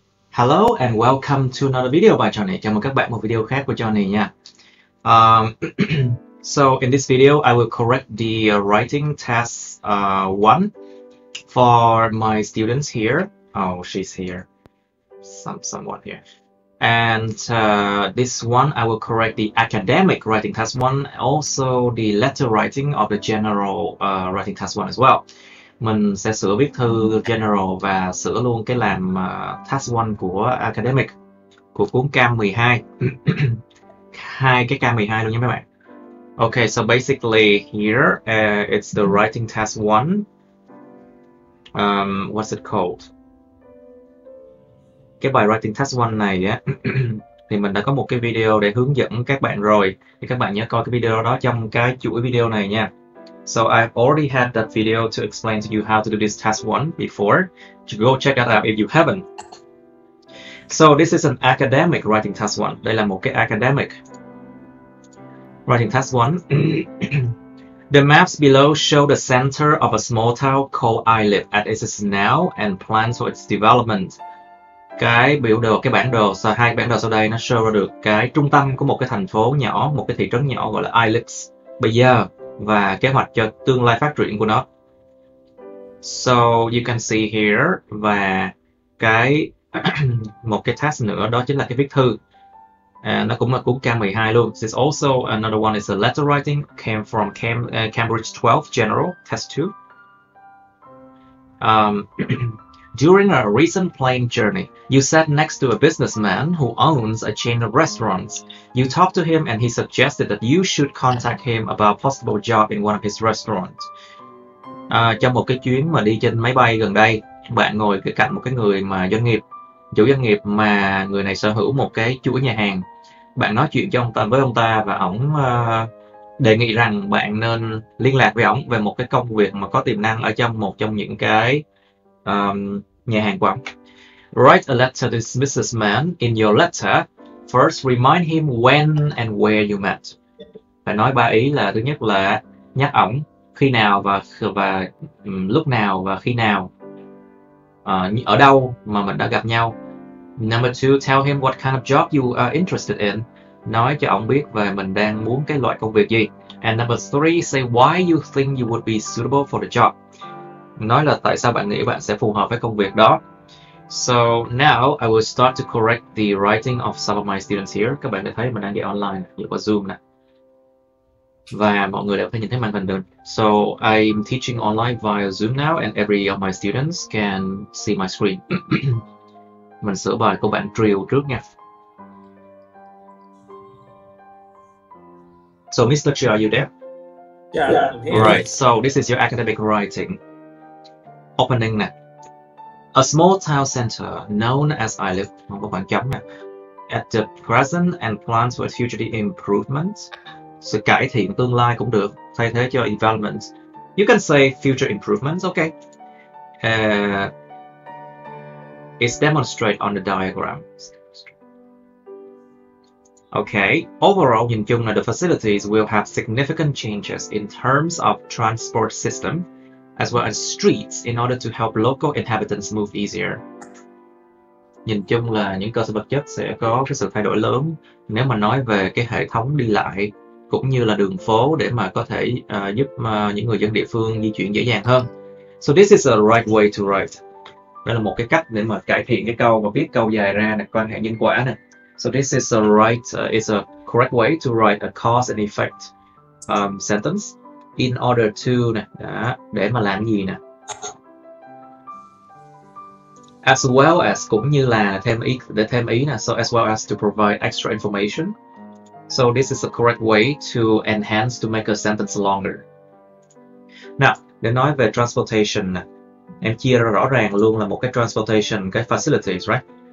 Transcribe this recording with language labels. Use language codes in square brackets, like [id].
[en] Hello and welcome to another video by Johnny. [vi] Chào mừng các bạn một video khác của Johnny nha. [en] So in this video, I will correct the writing test 1 for my students here. Oh, she's here. Someone here. And this one, I will correct the academic writing test 1, also the letter writing of the general writing test 1 as well. [vi] Mình sẽ sửa viết thư general và sửa luôn cái làm task 1 của academic của cuốn K12. Hai cái K12 luôn nha mấy bạn. [en] Okay, so basically here it's the writing task 1. What's it called? [vi] Cái bài writing task 1 này á thì mình đã có một cái video để hướng dẫn các bạn rồi. Thì các bạn nhớ coi cái video đó trong cái chuỗi video này nha. [en] So I've already had that video to explain to you how to do this task 1 before. You go check that out if you haven't. So this is an academic writing task 1. [vi] Đây là một cái academic writing task 1. [en] The maps below show the center of a small town called Islip as it is now and plans for its development. [vi] Cái biểu đồ, cái bản đồ, hai bản đồ sau đây nó show ra được cái trung tâm của một cái thành phố nhỏ, một cái thị trấn nhỏ gọi là Islip. Bây giờ và kế hoạch cho tương lai phát triển của nó. [en] So you can see here [vi] và cái một cái task nữa đó chính là cái viết thư. Nó cũng là cuốn K12 luôn. [en] This also another one is a letter writing came from Cambridge 12 general test 2. During a recent plane journey, you sat next to a businessman who owns a chain of restaurants. You talked to him and he suggested that you should contact him about a possible job in one of his restaurants. [vi] Trong một cái chuyến mà đi trên máy bay gần đây, bạn ngồi kế cạnh một cái người mà doanh nghiệp, chủ doanh nghiệp mà người này sở hữu một cái chuỗi nhà hàng. Bạn nói chuyện cho ông ta với ông ta và ông đề nghị rằng bạn nên liên lạc với ông về một cái công việc mà có tiềm năng ở trong một trong những cái nhà hàng quán. [en] Write a letter to this businessman. In your letter, first remind him when and where you met. [vi] Phải nói ba ý là thứ nhất là nhắc ổng khi nào và lúc nào và khi nào ở đâu mà mình đã gặp nhau. [en] Number two, tell him what kind of job you are interested in. [vi] Nói cho ổng biết về mình đang muốn cái loại công việc gì. [en] And number three, say why you think you would be suitable for the job. [vi] Nói là tại sao bạn nghĩ bạn sẽ phù hợp với công việc đó. [en] So now I will start to correct the writing of some of my students here. [vi] Các bạn đã thấy mình đang dạy online dựa qua Zoom nè. Và mọi người đều có thể nhìn thấy màn hình được. [en] So I'm teaching online via Zoom now and every of my students can see my screen. [vi] Mình sửa bài của bạn Triều trước nha. [en] So Mr. Chi, are you there? Yeah, I'm here. All right, so this is your academic writing. Opening nè. A small town center known as Islip, [vi] một khoảng trống nè. [en] At the present and plans for future improvement. [vi] Sự cải thiện tương lai cũng được, thay thế cho development. [en] You can say future improvements, okay. It's demonstrated on the diagram. Okay, overall, [vi] nhìn chung là [en] the facilities will have significant changes in terms of transport system as well as streets in order to help local inhabitants move easier. [vi] Nhìn chung là những cơ sở vật chất sẽ có cái sự thay đổi lớn nếu mà nói về cái hệ thống đi lại cũng như là đường phố để mà có thể giúp những người dân địa phương di chuyển dễ dàng hơn. [en] So this is the right way to write. [vi] Đây là một cái cách để mà cải thiện cái câu và viết câu dài ra nè, quan hệ nhân quả nè. [en] So this is the right is a correct way to write a cause and effect sentence. In order to [vi] nè, đó, để mà làm gì nè. [en] As well as, [vi] cũng như là thêm ý, để thêm ý nè. [en] So as well as to provide extra information. So this is the correct way to enhance to make a sentence longer. [vi] Now, để nói về transportation nè. Em chia rõ ràng luôn là một cái transportation, cái facilities, right?